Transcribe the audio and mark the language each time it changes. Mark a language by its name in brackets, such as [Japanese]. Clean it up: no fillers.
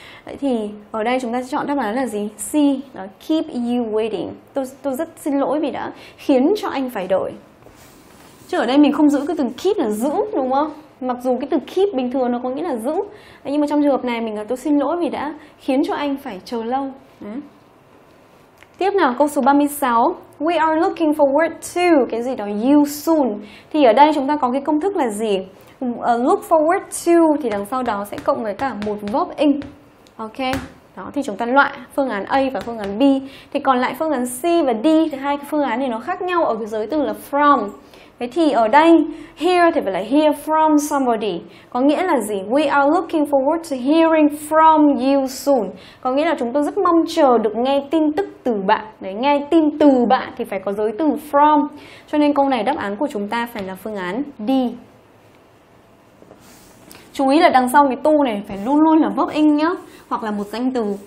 [Vietnamese] Đấy, thì ở đây chúng ta sẽ chọn đáp án là gì? C. Đó. [English] Keep you waiting. [Vietnamese] Tôi rất xin lỗi vì đã khiến cho anh phải đợi. Chứ ở đây mình không giữ cái từ keep là giữ, đúng không? Mặc dù cái từ keep bình thường nó có nghĩa là giữ. Đấy, nhưng mà trong trường hợp này mình là tôi xin lỗi vì đã khiến cho anh phải chờ lâu. Đấy. Tiếp nào, câu số 36. [English] We are looking forward to [Vietnamese] cái gì đó [English] you soon. [Vietnamese] Thì ở đây chúng ta có cái công thức là gì? Look forward to thì đằng sau đó sẽ cộng với cả một verb ing. Ok. Đó thì chúng ta loại phương án A và phương án B. Thì còn lại phương án C và D thì hai cái phương án này nó khác nhau ở cái giới từ là from. Thế thì ở đây hear thì phải là hear from somebody. Có nghĩa là gì? [English] We are looking forward to hearing from you soon. [Vietnamese] Có nghĩa là chúng tôi rất mong chờ được nghe tin tức từ bạn. Đấy, nghe tin từ bạn thì phải có giới từ from. Cho nên câu này đáp án của chúng ta phải là phương án D. Chú ý là đằng sau cái to này phải luôn luôn là verb ing nhá, hoặc là một danh từ.